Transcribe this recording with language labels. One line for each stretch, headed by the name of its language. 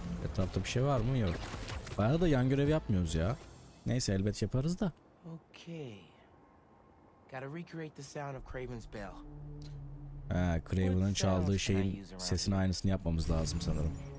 Turkish: Etrafta bir şey var mı? Yok. Bayağı da yan görev yapmıyoruz ya. Neyse elbet yaparız da. Okay.
English: Got to recreate the sound of Craven's bell.
Turkish: Craven'ın çaldığı şeyin sesini aynısını yapmamız lazım sanırım.